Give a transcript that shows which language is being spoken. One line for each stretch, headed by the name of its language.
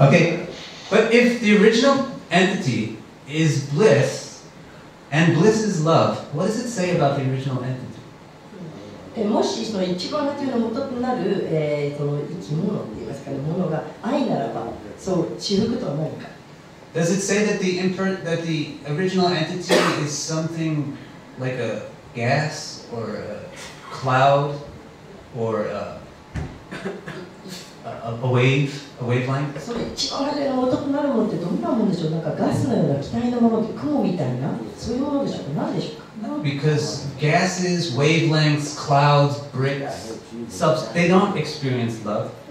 English: Okay, but if the original entity is bliss, and bliss is love, what does it say about the original entity?
Japanese: もしその一番初めの元となる、その生き物といいますか、ね、ものが愛ならば、そう、至福とは何か。
English: Does it say that the original entity is something like a gas or a cloud or a wavelength?
Japanese: その一番初めの元となるものってどんなものでしょう？なんかガスのような気体のもの、雲みたいな、そういうものでしょうか？何でしょうか？
English: No, because gases, wavelengths, clouds, bricks, they don't experience love.